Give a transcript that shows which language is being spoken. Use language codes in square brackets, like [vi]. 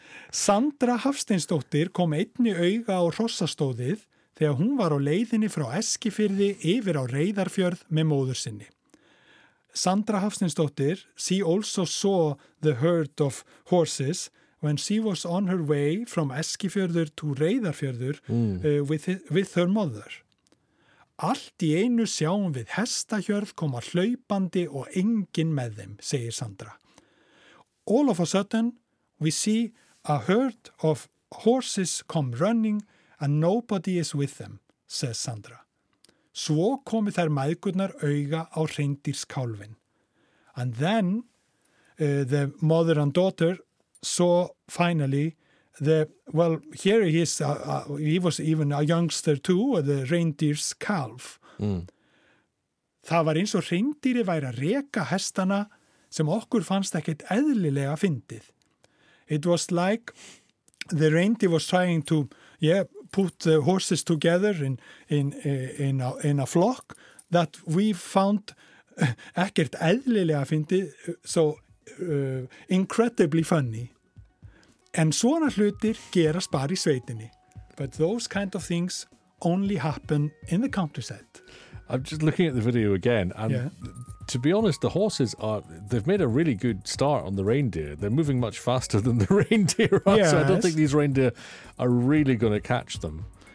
[is] Sandra Hafsteinsdóttir kom einni auga á hrossastóðið þegar hún var á leiðinni frá Eskifirði yfir á Reyðarfjörð með móður sinni. [en] Sandra Hafsteinsdóttir, she also saw the herd of horses when she was on her way from Eskifjörður to Reyðarfjörður with her mother. [is] Allt í einu sjáum við hestahjörð koma hlaupandi og engin með þeim, segir Sandra. [en] All of a sudden, we see a herd of horses come running and nobody is with them, says Sandra. [is] Svo komi þær mæðgurnar auga á hreindýrskálfin. [en] And then the mother and daughter saw finally the, well, here he is, he was even a youngster too, the reindeer's calf. [is] Það var eins og hreindýri væri að reka hestana sem okkur fannst ekkit eðlilega fyndið. [en] It was like the reindeer was trying to, yeah, put the horses together in a flock that we found [is] ekkert eðlilega fyndi [en] so incredibly funny. [is] En svona hlutir gerast bara í sveitinni. [en] But those kind of things only happen in the countryside. I'm just looking at the video again and yeah. To be honest, the horses are, they've made a really good start on the reindeer. They're moving much faster than the reindeer are, yes. So I don't think these reindeer are really going to catch them.